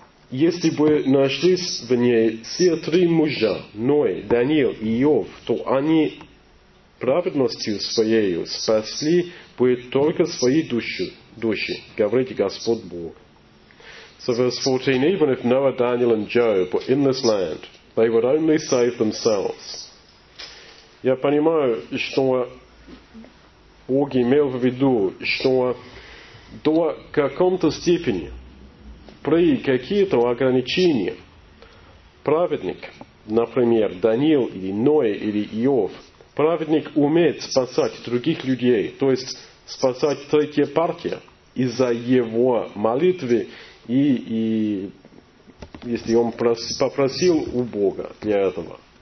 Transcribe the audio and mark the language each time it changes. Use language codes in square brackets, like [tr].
[ru] Если бы нашлись в ней все три мужа, Ной, Даниил и Иов, то они праведностью своей спасли бы только свои души, говорит Господь Бог. [en] So verse 14, even if Noah, Daniel and Job were in this land, they would only save themselves. [ru] Я понимаю, что Бог имел в виду, что до какой-то степени, при каких-то ограничениях, праведник, например, Даниил или Ной или Иов, праведник умеет спасать других людей, то есть спасать третью партию из-за его молитвы и если он попросил у Бога для этого.